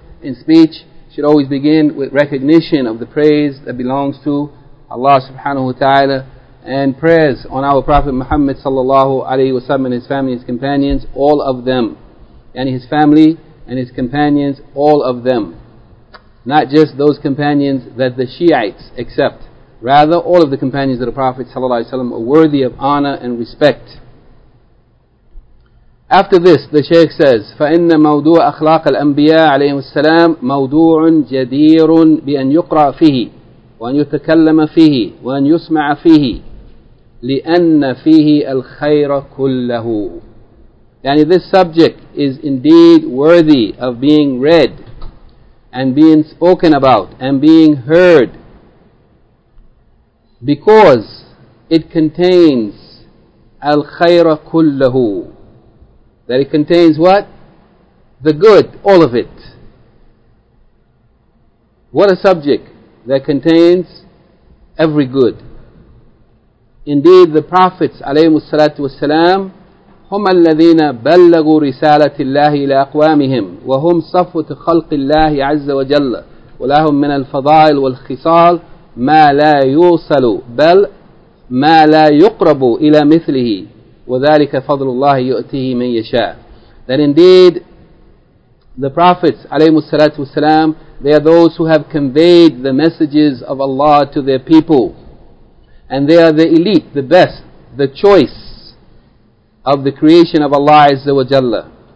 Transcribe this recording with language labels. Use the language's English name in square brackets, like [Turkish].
[English] in speech should always begin with recognition of the praise that belongs to Allah subhanahu wa ta'ala, and prayers on our Prophet Muhammad sallallahu alayhi wa sallam and his family, his companions, all of them. And his family and his companions, all of them. Not just those companions that the Shiites accept. Rather, all of the companions of the Prophet sallallahu alayhi wa sallam are worthy of honor and respect. After this, the Shaykh says, [Arabic] فَإِنَّ مَوْضُوعَ أَخْلَاقَ الْأَنْبِيَاءَ عَلَيْهِمُ السَّلَامُ مَوْضُوعٌ جَدِيرٌ بِأَنْ يُقْرَأَ فِيهِ وَأَنْ يُتَكَلَّمَ فِيهِ وَأَنْ يُسْمَعَ فِيهِ لِأَنَّ فِيهِ الْخَيْرَ كُلَّهُ. [English] Yani this subject is indeed worthy of being read and being spoken about and being heard, because it contains [Arabic] الْخَيْرَ كُلَّهُ. [English] That it contains what? The good, all of it. What a subject that contains every good. Indeed, the Prophets, alayhimu salatu wassalam, [Arabic] هُمَ الَّذِينَ بَلَّغُوا رِسَالَةِ اللَّهِ إِلَىٰ أَقْوَامِهِمْ وَهُمْ صَفْوَةُ خَلْقِ اللَّهِ عَزَّ وَجَلَّ وَلَهُمْ مِنَ الْفَضَائِلِ وَالْخِصَالِ مَا لَا يُوصَلُ بَلْ مَا لَا يُقْرَبُ إِلَىٰ مِثْلِهِ وَذَلِكَ فَضْلُ اللَّهِ يُؤْتِهِ مَنْ يَشَاءُ. [English] That indeed, the Prophets, alayhimu salatu wasalam, they are those who have conveyed the messages of Allah to their people. And they are the elite, the best, the choice of the creation of Allah Azza wa Jalla.